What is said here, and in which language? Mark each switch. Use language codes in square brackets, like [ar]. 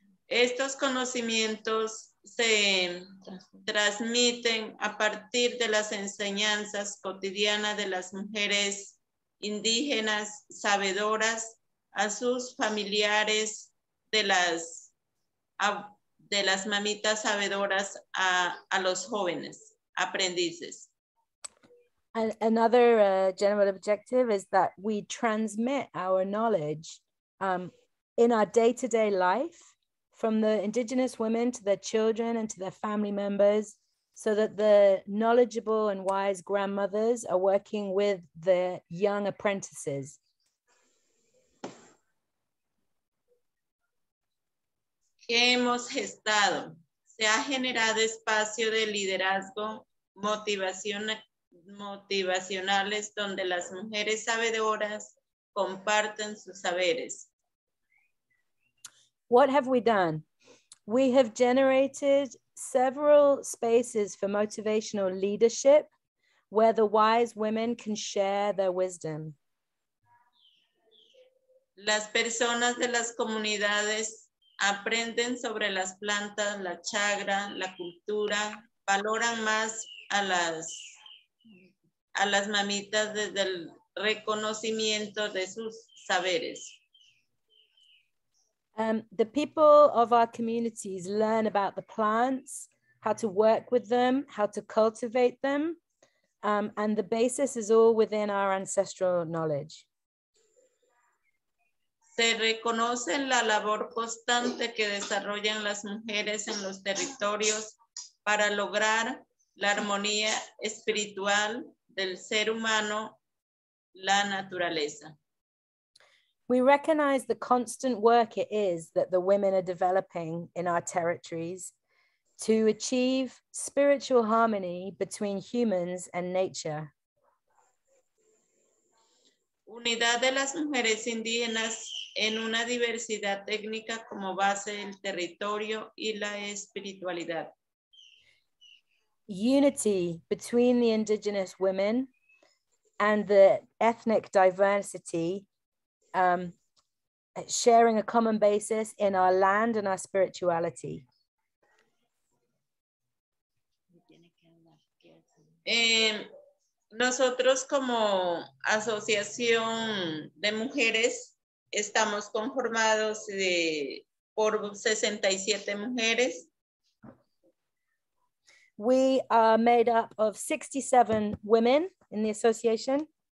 [es] Estos conocimientos se transmiten a partir de las enseñanzas cotidianas de las mujeres indígenas sabedoras a sus familiares de las mamitas sabedoras a los jóvenes aprendices. [en] Another general objective is that we transmit our knowledge in our day-to-day life from the indigenous women to their children and to their family members, so that the knowledgeable and wise grandmothers are working with the young apprentices. [es] Que hemos gestado, se ha generado espacio de liderazgo motivacionales donde las mujeres sabedoras comparten sus saberes. [en] What have we done? We have generated several spaces for motivational leadership where the wise women can share their wisdom. [es] Las personas de las comunidades aprenden sobre las plantas, la chagra, la cultura, valoran más a las mamitas desde el reconocimiento de sus saberes. [en] The people of our communities learn about the plants, how to work with them, how to cultivate them, and the basis is all within our ancestral knowledge. [es] Se reconoce la labor constante que desarrollan las mujeres en los territorios para lograr la armonía espiritual del ser humano, la naturaleza. [en] We recognize the constant work it is that the women are developing in our territories to achieve spiritual harmony between humans and nature. [es] Unidad de las mujeres indígenas en una diversidad étnica como base del territorio y la espiritualidad. [en] Unity between the indigenous women and the ethnic diversity, sharing a common basis in our land and our spirituality. [es] Nosotros como asociación de mujeres estamos conformados por 67 mujeres. [en] We are made up of 67 women in the association.